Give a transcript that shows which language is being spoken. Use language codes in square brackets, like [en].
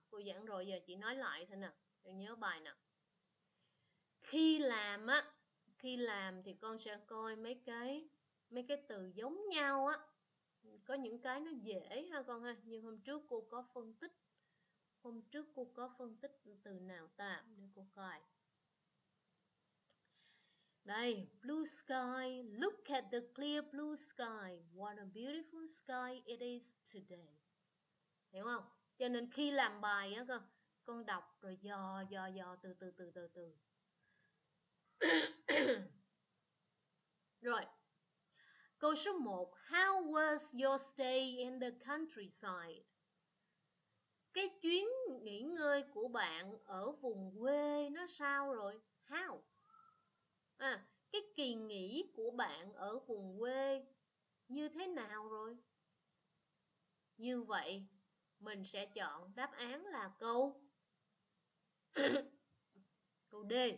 [vi] Cô giảng rồi, giờ chị nói lại thôi nè, để nhớ bài nè. Khi làm á, khi làm thì con sẽ coi mấy cái từ giống nhau á, có những cái nó dễ ha con ha. Như hôm trước cô có phân tích, hôm trước cô có phân tích từ nào ta, để cô coi. Đây, [en] blue sky, look at the clear blue sky. What a beautiful sky it is today. [vi] Hiểu không? Cho nên khi làm bài á con đọc rồi dò dò dò từ từ từ từ từ. Rồi. Câu số 1, [en] how was your stay in the countryside? [vi] Cái chuyến nghỉ ngơi của bạn ở vùng quê nó sao rồi? [en] How? [vi] À, cái kỳ nghỉ của bạn ở vùng quê như thế nào rồi? Như vậy, mình sẽ chọn đáp án là câu câu D.